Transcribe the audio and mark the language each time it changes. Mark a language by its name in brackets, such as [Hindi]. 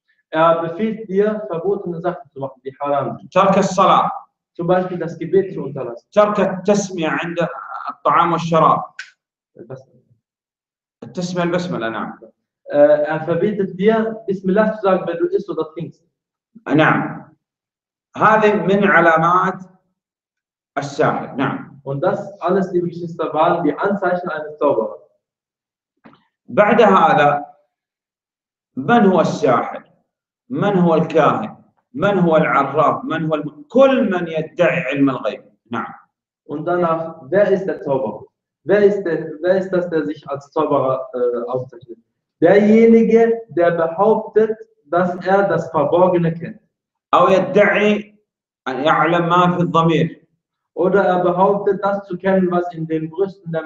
[German] Er befiehlt dir, verbotene Sachen zu machen, die haram. [Arabic] ترك الصلاة. [German] Zum Beispiel das Gebet zu unterlassen. [Arabic] ترك التسمية عند الطعام والشراب. التسمية البسملة نعم. [German] Er verbietet dir, Bismillah zu sagen, wenn du isst oder trinkst. [Arabic] نعم هذه من علامات الساحر نعم [German] und das alles die Geschwister waren die Anzeichen eines Zauberers [Arabic] بعد هذا من هو الساحر من هو الكاهن من هو العراف من هو كل من يدعي علم الغيب نعم [German] und danach wer ist der Zauberer wer ist das der sich als Zauberer auszeichnet derjenige der behauptet dass er das Verborgene kennt. [Arabic] أو يدعي أن يعلم ما في الضمير. [German] Oder er behauptet, das zu kennen, was in den Brüsten der